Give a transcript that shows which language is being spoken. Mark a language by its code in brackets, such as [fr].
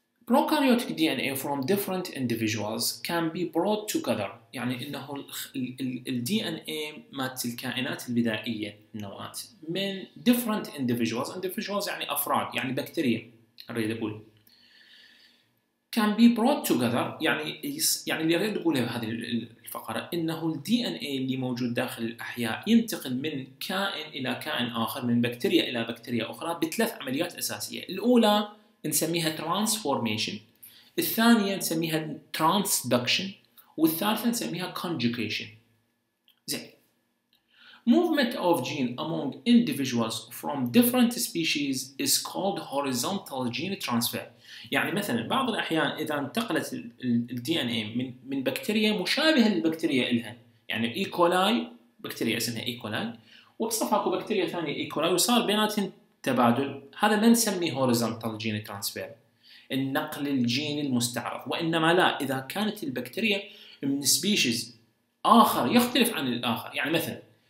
[en] Prokaryotic DNA from different individuals can be brought together، [ar] يعني انه ال DNA مالت الكائنات البدائية النوات من [en] different individuals، [ar] individuals يعني افراد، يعني بكتيريا اريد اقول، [en] can be brought together، [ar] يعني اللي اريد اقوله بهذه الفقرة انه ال DNA اللي موجود داخل الاحياء ينتقل من كائن الى كائن اخر، من بكتيريا الى بكتيريا اخرى بثلاث عمليات اساسية. الاولى نسميها transformation، الثانية نسميها transduction، والثالثة نسميها conjugation. زين [en] Movement of gene among individuals from different species is called horizontal gene transfer. [ar] يعني مثلا بعض الاحيان اذا انتقلت الدي ان اي من بكتيريا مشابهه للبكتيريا الها، يعني اي كولاي، بكتيريا اسمها اي كولاي، وبصف اكو بكتيريا ثانيه اي كولاي، وصار بيناتهم تبادل، هذا ما نسميه هوريزونتال جين ترانسفير، النقل الجيني المستعرض، وانما لا، اذا كانت البكتيريا من سبيشيز اخر يختلف عن الاخر، يعني مثلا